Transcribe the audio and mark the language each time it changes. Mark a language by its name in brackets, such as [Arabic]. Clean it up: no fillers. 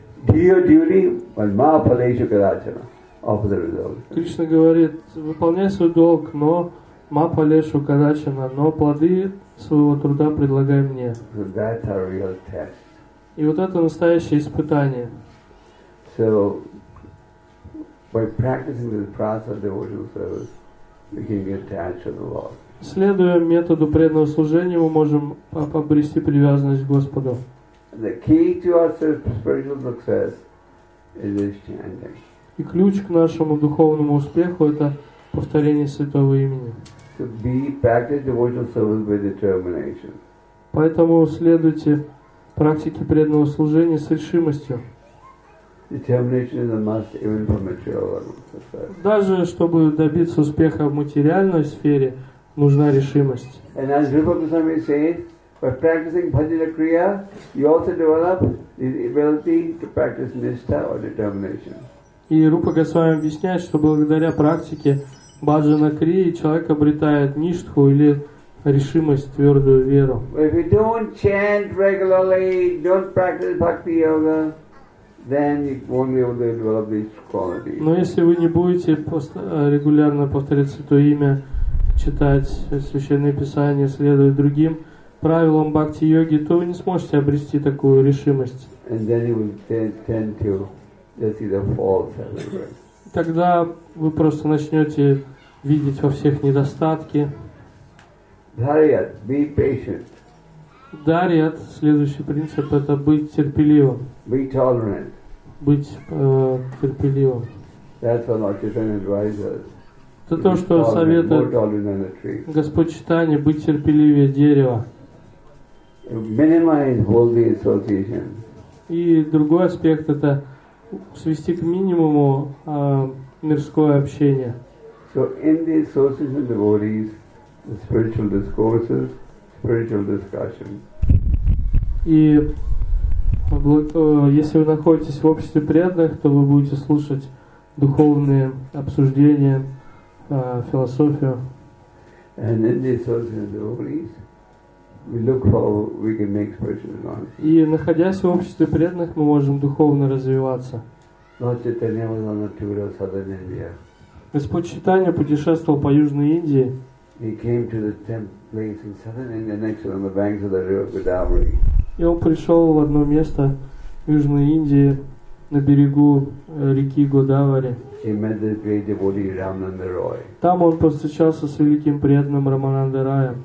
[Russian] Кришна говорит, выполняй свой долг, но [Sanskrit] ма палешу кадачана, [Russian] но плоды своего труда предлагай мне. [English] So that's our real test. [Russian] И вот это настоящее испытание. [English] So, by practicing this process of devotional service, we can get attached to the Lord. [Russian] Следуя методу преданного служения, мы можем обрести привязанность к Господу. [English] The key to our spiritual success is this chanting. [Russian] И ключ к нашему духовному успеху – это повторение святого имени. [English] To be practice devotional service by determination. [Russian] Поэтому следуйте практике преданного служения с решимостью. [English] Determination is a must even for material success. [Russian] Даже чтобы добиться успеха в материальной сфере, нужна решимость. [English] And as Rupa Goswami said, by practicing bhajana kriya, you also develop the ability to practice nishtha or determination. [Russian] И Рупа Госвами объясняет, что благодаря практике Бхаджана Крии человек обретает ништху или решимость, твердую веру. [English] If you don't chant regularly, don't practice bhakti yoga, then you won't be able to develop these qualities. [Russian] Но если вы не будете регулярно повторять Святое Имя, читать Священные Писания, следовать другим правилам бхакти йоги, то вы не сможете обрести такую решимость. [English] And then you will tend to just see the faults everywhere. [Russian] Тогда вы просто начнете видеть во всех недостатки. [English] Дарьят, be patient. [Russian] Дарьят, следующий принцип, это быть терпеливым. [English] Be tolerant. [Russian] Быть терпеливым. [English] That's what Lord Chaitanya advises. [Russian] Это то, что советует Господь Чайтанья, быть терпеливее дерева. [English] Minimize worldly association. [Russian] И другой аспект это свести к минимуму мирское общение. [English] So in the association of devotees, the spiritual discourses, spiritual discussion. [Russian] И если вы находитесь в обществе преданных, то вы будете слушать духовные обсуждения, философию. [English] And in the association of devotees, we look for we can make spiritual advances. [Russian] И находясь в обществе преданных, мы можем духовно развиваться. Господь Чайтанья путешествовал по Южной Индии. [English] He came to the temple in southern India, next on the banks of the river Godavari. [Russian] И он пришел в одно место в Южной Индии на берегу реки Годавари. [English] He met the great devotee Рамананда Рой. [Russian] Там он повстречался с великим преданным Рамананда Раем.